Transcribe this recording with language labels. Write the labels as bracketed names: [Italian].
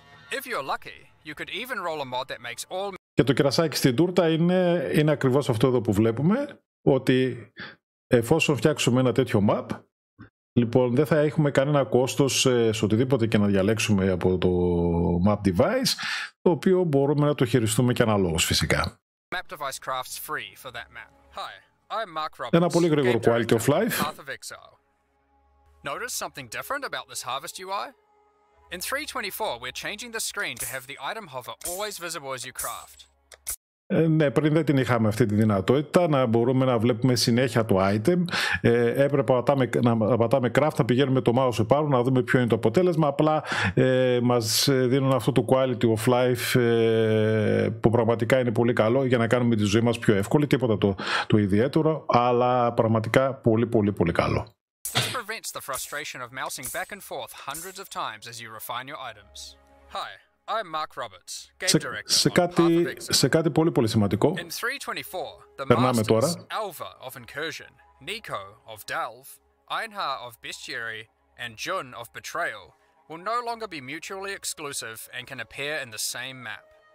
[English] If you're lucky, you could even roll a mod that makes all. [Greek] Και το κερασάκι στην τούρτα είναι, είναι ακριβώς αυτό εδώ που βλέπουμε, ότι εφόσον φτιάξουμε ένα τέτοιο map, λοιπόν, δεν θα έχουμε κανένα κόστος σε οτιδήποτε και να διαλέξουμε από το map device, το οποίο μπορούμε να το χειριστούμε και αναλόγως φυσικά. [English] Map device crafts free for that map. Hi, I'm Mark Roberts. [Greek] Ένα πολύ γρήγορο [English] quality of life. Path of Exile. Notice something different about this harvest UI? In 324, we're changing the screen to have the item hover always visible as you craft. [Greek] Ναι, πριν δεν την είχαμε αυτή τη δυνατότητα να μπορούμε να βλέπουμε συνέχεια το item. Έπρεπε να πατάμε craft, να πηγαίνουμε το mouse πάνω να δούμε ποιο είναι το αποτέλεσμα. Απλά μας δίνουν αυτό το quality of life που πραγματικά είναι πολύ καλό για να κάνουμε τη ζωή μας πιο εύκολη. Τίποτα το ιδιαίτερο, αλλά πραγματικά πολύ πολύ πολύ καλό. [English] This prevents the frustration of mousing back and forth hundreds of times as you refine your items. Hi. I'm Mark Roberts, game director. [Greek] Σε κάτι πολύ πολύ σημαντικό. [English] In 324, the [Greek] περνάμε τώρα. [English] Alva of Incursion, Nico of Delve, Einhar of Bestiary and Jun of Betrayal will no longer be mutually exclusive and can appear in the same map.